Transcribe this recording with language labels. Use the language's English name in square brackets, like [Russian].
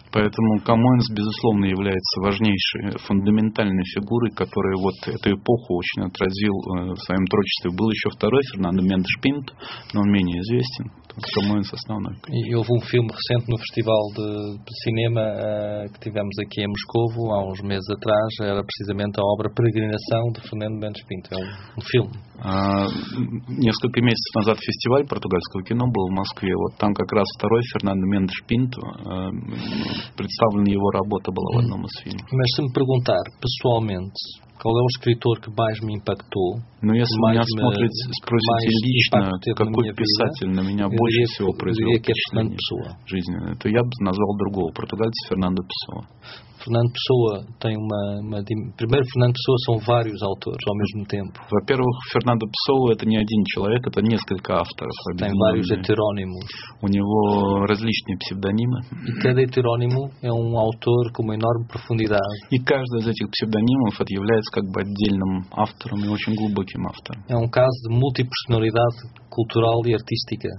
[Russian] Поэтому Камões, безусловно, является важнейшей, фундаментальной фигурой, которая вот эту эпоху очень отразил в своем творчестве. Был еще второй Фернандо Мендес Пинто, но менее известен. Камões основной. [Portuguese] E houve um filme recente no Festival de Cinema que tivemos aqui em Moscovo há uns meses atrás. Era precisamente a obra Peregrinação de Fernando Mendes Pinto. É um filme. [Russian] Несколько месяцев назад фестиваль португальского кино был в Москве. Вот там как раз второй Фернандо Мендес Пинто. Представлена его работа была в одном из фильмов. [Portuguese] Mas se me perguntar pessoalmente, qual é o escritor que mais me impactou? [Russian] Ну, если меня спросите лично, какой писатель на меня больше всего произвел впечатление в жизни, то я бы назвал другого португальца, Фернандо Пессоа. [Portuguese] Fernando Pessoa tem uma... Primeiro, Fernando Pessoa são vários autores ao mesmo tempo. [Russian] Во-первых, Fernando Pessoa это не один человек, это несколько авторов. [Portuguese] Tem vários heterónimos. [Russian] У него различные псевдонимы. [Portuguese] E cada heterónimo é um autor com uma enorme profundidade. [Russian] И каждый из этих псевдонимов является как бы отдельным автором и очень глубоким автором. [Portuguese] É um caso de multipersonalidade cultural e artística.